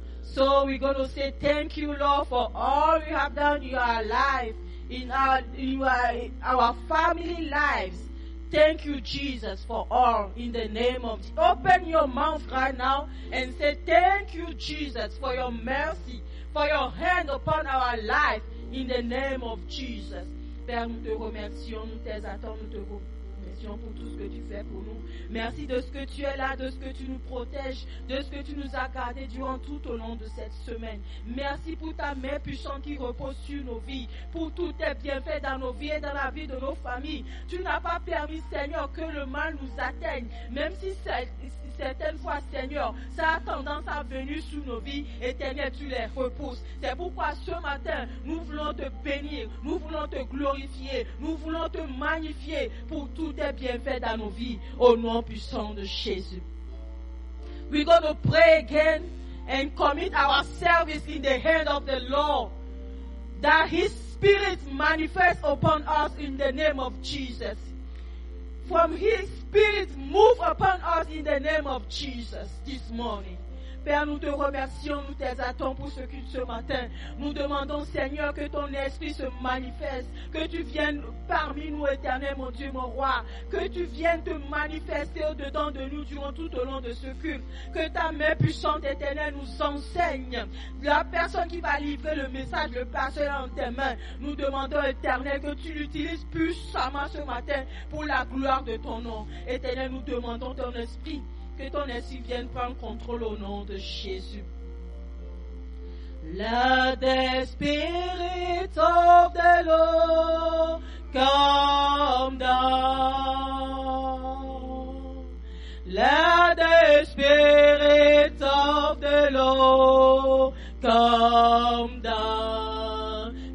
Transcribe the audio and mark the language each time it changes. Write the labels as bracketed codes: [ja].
[en] So we're going to say thank you, Lord, for all you have done in our life, in our family lives. Thank you, Jesus, for all in the name of Jesus. Open your mouth right now and say, thank you, Jesus, for your mercy, for your hand upon our life in the name of Jesus. [fr] Père, nous te remercions, nous t'exaltons, nous te remercions pour tout ce que tu fais pour nous. Merci de ce que tu es là, de ce que tu nous protèges, de ce que tu nous as gardé durant tout au long de cette semaine. Merci pour ta main puissante qui repose sur nos vies, pour tous tes bienfaits dans nos vies et dans la vie de nos familles. Tu n'as pas permis, Seigneur, que le mal nous atteigne, même si certaines fois, Seigneur, ça a tendance à venir sur nos vies, Éternel, tu les repousses. C'est pourquoi ce matin, nous voulons te bénir, nous voulons te glorifier, nous voulons te magnifier pour tous tes bienfaits dans nos vies, au nom puissant de Jésus. [en] We're going to pray again and commit our service in the hand of the Lord, that His Spirit manifests upon us in the name of Jesus. From His Spirit, move upon us in the name of Jesus this morning. [fr] Père, nous te remercions, nous t'exaltons pour ce culte ce matin. Nous demandons, Seigneur, que ton esprit se manifeste, que tu viennes parmi nous, Éternel, mon Dieu, mon Roi, que tu viennes te manifester au-dedans de nous durant tout au long de ce culte, que ta main puissante, Éternel, nous enseigne. La personne qui va livrer le message, le passer dans tes mains, nous demandons, Éternel, que tu l'utilises puissamment ce matin pour la gloire de ton nom. Éternel, nous demandons ton esprit. Que ton esprit vienne prendre contrôle au nom de Jésus. [en] Let the Spirit of the Lord come down. Let the Spirit of the Lord come down.